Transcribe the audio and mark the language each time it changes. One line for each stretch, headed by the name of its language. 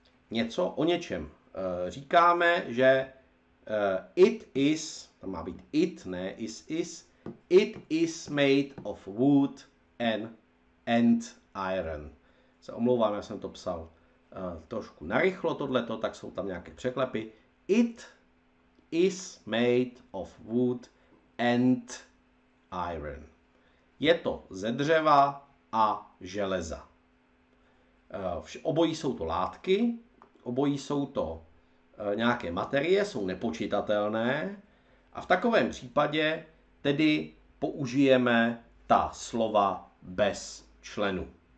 Czech: Něco o něčem říkáme, že
English: it is,
Czech: tam má být
English: it,
Czech: ne
English: is, it is made of wood and iron.
Czech: Se omlouvám, já jsem to psal trošku narychlo tohleto, tak jsou tam nějaké překlepy.
English: It is made of wood and iron.
Czech: Je to ze dřeva a železa. Obojí jsou to látky, obojí jsou to nějaké materie, jsou nepočitatelné a v takovém případě tedy použijeme ta slova bez členu.